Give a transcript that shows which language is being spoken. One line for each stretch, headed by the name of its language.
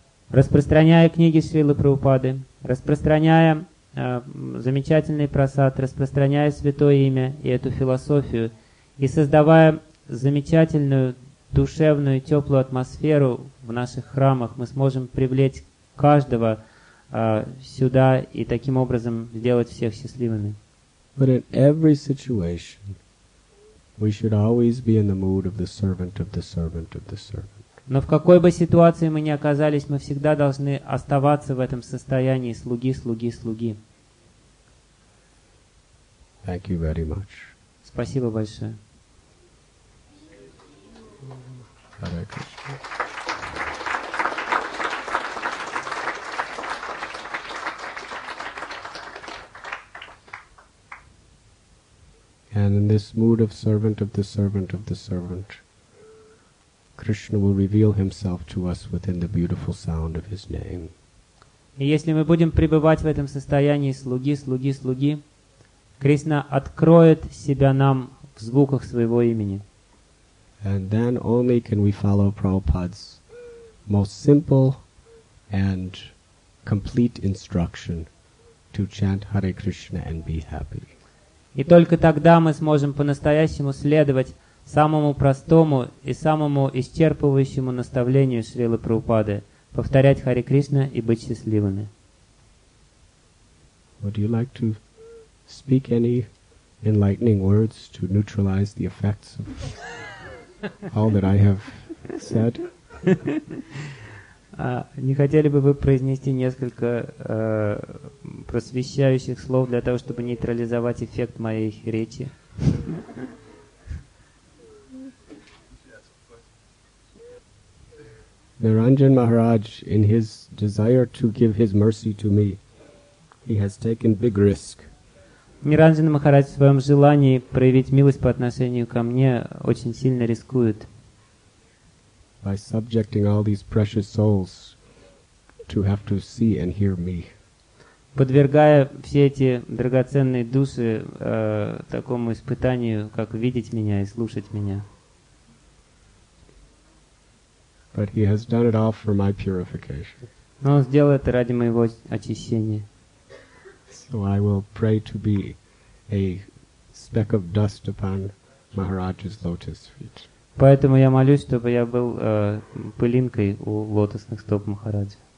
Russian: Распространяя книги Шрилы Прабхупады, распространяя замечательный прасад, распространяя святое имя и эту философию, и создавая замечательную, душевную, теплую атмосферу в наших храмах, мы сможем привлечь каждого сюда и таким образом сделать всех счастливыми.
English: But in every situation, we should always be in the mood of the servant of the servant of the servant.
Russian: Но в какой бы ситуации мы ни оказались, мы всегда должны оставаться в этом состоянии слуги, слуги, слуги.
English: Thank you very much.
Russian: Спасибо большое.
English: Hare Krishna. And in this mood of servant of the servant of the servant, Krishna will reveal himself to us within the beautiful sound of his name.
Russian: И если мы будем пребывать в этом состоянии слуги, слуги, слуги, Кришна откроет себя нам в звуках своего имени.
English: And then only can we follow Prabhupada's most simple and complete instruction to chant Hare Krishna and be happy.
Russian: И только тогда мы сможем по-настоящему следовать самому простому и самому исчерпывающему наставлению Шрилы Прабхупады — повторять Харе Кришна и быть счастливыми.
English: Would you like to speak any enlightening words to neutralize the effects of all that I have said?
Russian: Не хотели бы вы произнести несколько просвещающих слов для того, чтобы нейтрализовать эффект моей речи?
English: Niranjan Maharaj, in his desire to give his mercy to me, he has taken big risk.
Russian: Niranjan Maharaj в своем желании проявить милость по отношению ко мне очень сильно рискует.
English: By subjecting all these precious souls to have to see and hear me.
Russian: Подвергая все эти драгоценные души такому испытанию, как видеть меня и слушать меня.
English: But he has done it all for my purification.
Russian: Но он сделал это ради моего очищения.
English: So I will pray to be a speck of dust upon Maharaj's lotus feet.
Russian: Поэтому я молюсь, чтобы я был пылинкой у лотосных стоп Махараджа.